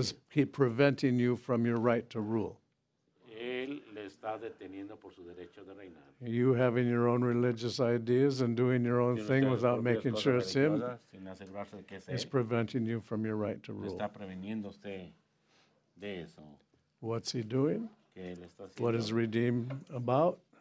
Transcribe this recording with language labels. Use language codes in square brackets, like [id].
[en] is keep preventing you from your right to rule. [es] Él le está deteniendo por su derecho de reinar. [en] You having your own religious ideas and doing your own thing without making sure it's him is preventing you from your right to rule. [es] Está preveniendo usted de eso. [en] What's he doing? What is redeem about?